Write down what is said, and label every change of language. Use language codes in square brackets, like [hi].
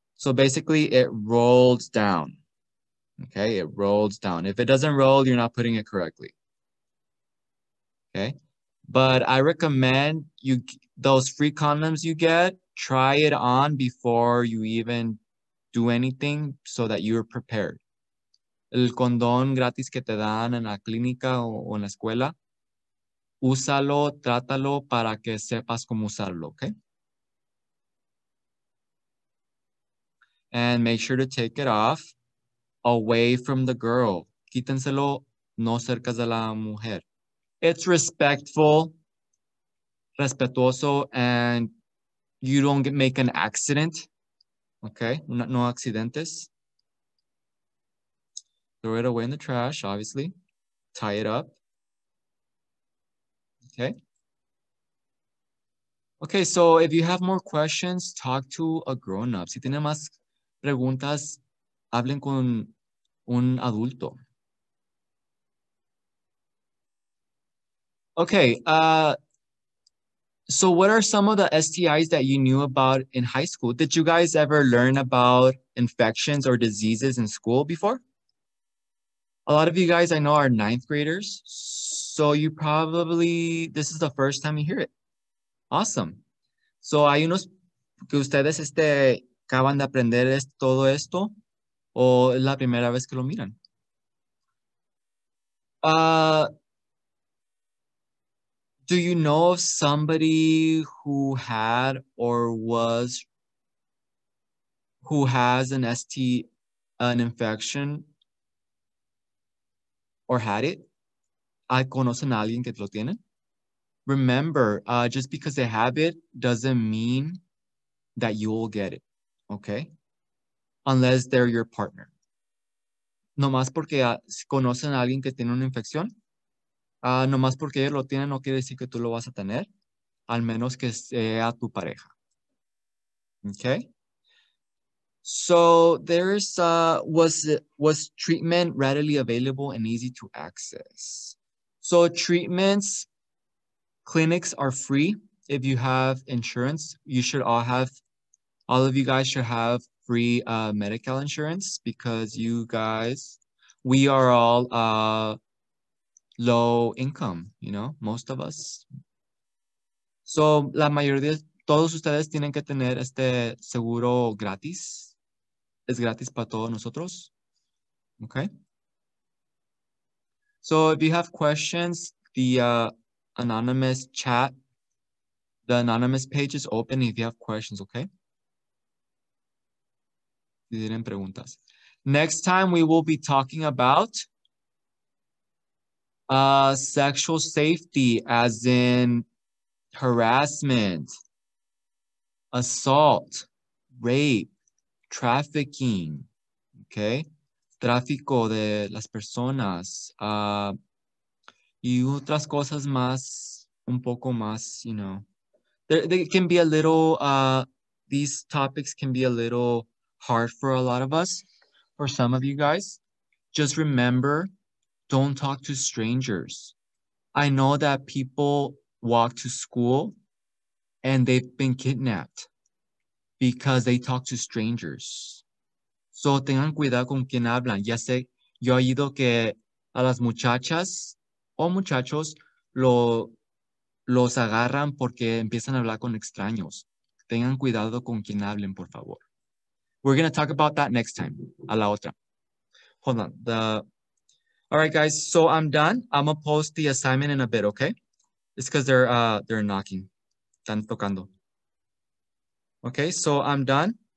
[en] So basically, it rolls down. Okay, it rolls down. If it doesn't roll, you're not putting it correctly. Okay, but I recommend you those free condoms you get, try it on before you even do anything so that you're prepared. [es] El condón gratis que te dan en la clínica o en la escuela, úsalo, trátalo para que sepas cómo usarlo, okay? [en] And make sure to take it off away from the girl. [es] Quítenselo no cerca de la mujer. [en] It's respectful, [es] respetuoso, [en] and you don't get, make an accident. [es] Okay, no accidentes. [en] Throw it away in the trash, obviously. Tie it up. Okay. Okay, so if you have more questions, talk to a grown-up. [es] Si tiene más preguntas, hablen con un adulto. [en] Okay, so what are some of the STIs that you knew about in high school? Did you guys ever learn about infections or diseases in school before? A lot of you guys I know are ninth graders, so you probably, this is the first time you hear it. Awesome. [es] So hay unos que ustedes acaban de aprender todo esto, o es la primera vez que lo miran. [en] Do you know of somebody who had or was, who has an ST, an infection, or had it? [es] ¿Hay conocen a alguien que lo tienen? [en] Remember, just because they have it doesn't mean that you will get it, okay? Unless they're your partner. [es] Nomás porque conocen a alguien que tiene una infección. Nomás porque ellos lo tienen no quiere decir que tú lo vas a tener, al menos que sea tu pareja. [en] Okay. So there is was treatment readily available and easy to access. So treatments, clinics are free. If you have insurance, you should all have, all of you guys should have free Medi-Cal insurance because you guys, we are all low income, you know, most of us. [es] So la mayoría, todos ustedes tienen que tener este seguro gratis. Es gratis para todos nosotros. Okay. [en] So if you have questions, the anonymous chat, the anonymous page is open if you have questions, okay? [es] Si tienen preguntas. [en] Next time we will be talking about sexual safety, as in harassment, assault, rape, trafficking, okay? [es] Tráfico de las personas, y otras cosas más, un poco más, [en] you know. They can be a little, these topics can be a little hard for a lot of us, for some of you guys. Just remember, don't talk to strangers. I know that people walk to school and they've been kidnapped because they talk to strangers. [es] So tengan cuidado con quien hablan. Ya sé, yo he oído que a las muchachas o muchachos los agarran porque empiezan a hablar con extraños. Tengan cuidado con quien hablen, por favor. [en] We're going to talk about that next time. [es] A la otra. [en] Hold on. All right, guys. So I'm done. I'm gonna post the assignment in a bit, okay? It's because they're knocking. [es] Están tocando. [en] Okay, so I'm done.